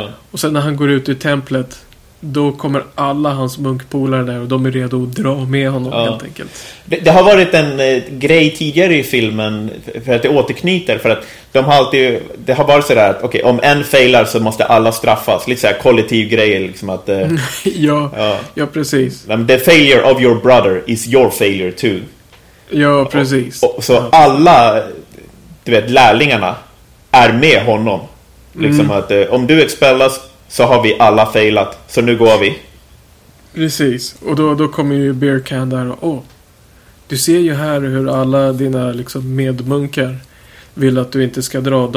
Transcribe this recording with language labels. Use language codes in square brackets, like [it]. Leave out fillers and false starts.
[sv] Och sen när han går ut i templet, då kommer alla hans munkpolare där och de är redo att dra med honom helt enkelt. Det har varit en grej tidigare i filmen, för att det återknyter, för att de har alltid, det har varit sådär att okay, om en failar så måste alla straffas, lite såhär kollektiv grej liksom att, ja, precis. [en] The failure of your brother is your failure too. [sv] Ja, precis. Och alla, du vet, lärlingarna är med honom. Liksom att om du expellas så har vi alla failat, så nu går vi. Precis, och då kommer ju Beer Can där och du ser ju här hur alla dina liksom medmunkar vill att du inte ska dra.